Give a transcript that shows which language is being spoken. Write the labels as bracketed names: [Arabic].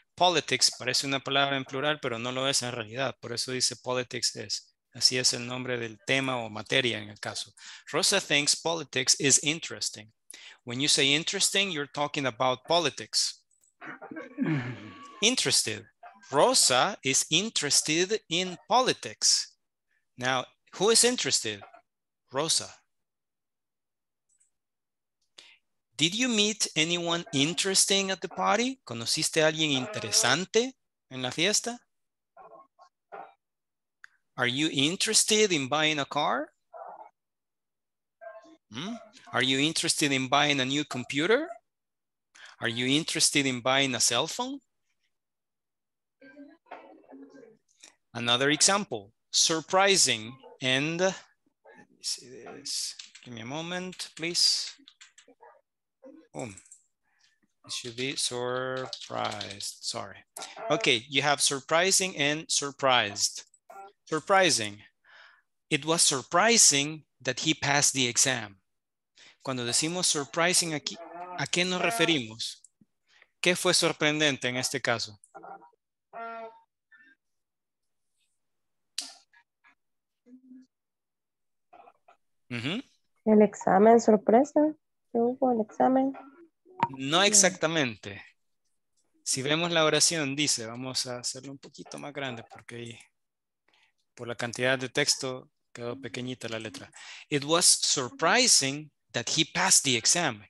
[Spanish] Politics parece una palabra en plural, pero no lo es en realidad. Por eso dice [English] politics is. [Spanish] Así es el nombre del tema o materia en el caso. [English] Rosa thinks politics is interesting. When you say interesting, you're talking about politics. Interested. Rosa is interested in politics. Now, who is interested? Rosa. Did you meet anyone interesting at the party? [Spanish] ¿Conociste a alguien interesante en la fiesta? [English] Are you interested in buying a car? Are you interested in buying a new computer? Are you interested in buying a cell phone? Another example, surprising, and let me see this. Give me a moment, please. Boom. It should be surprised. Sorry. Okay, you have surprising and surprised. Surprising. It was surprising that he passed the exam. [Spanish] Cuando decimos surprising aquí, ¿a qué nos referimos? ¿Qué fue sorprendente en este caso? El examen sorpresa. ¿Qué hubo el examen? No exactamente. Si vemos la oración, dice, vamos a hacerlo un poquito más grande porque ahí, por la cantidad de texto quedó pequeñita la letra. [English] It was surprising that he passed the exam.